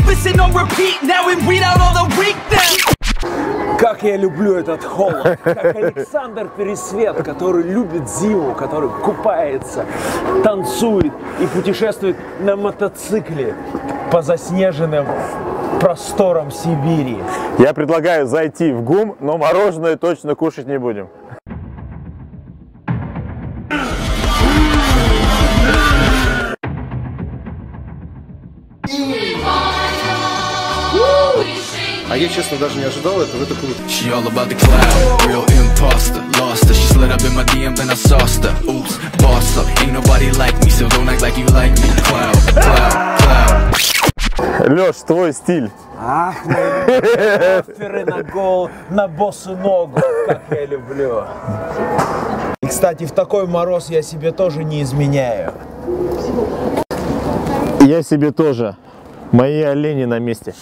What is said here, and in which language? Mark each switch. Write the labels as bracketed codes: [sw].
[en] Listen on repeat now and weed out all the weak now. [ru] Как я люблю этот холод. Как Александр Пересвет, который любит зиму, который купается, танцует и путешествует на мотоцикле по заснеженным просторам Сибири. Я предлагаю зайти в ГУМ, но мороженое точно кушать не будем. А я, честно, даже не ожидал этого, это круто. [en] She all about the cloud, real imposter, lost her. She slid up in my DM, then I sauced her. Oops, boss up, ain't nobody like me, so don't act like you like me. Cloud. [ru] Лёш, твой стиль. Ах, мои рофферы на гол, на босу ногу, как я люблю. И, кстати, в такой мороз я себе тоже не изменяю. Я себе тоже. Мои олени на месте.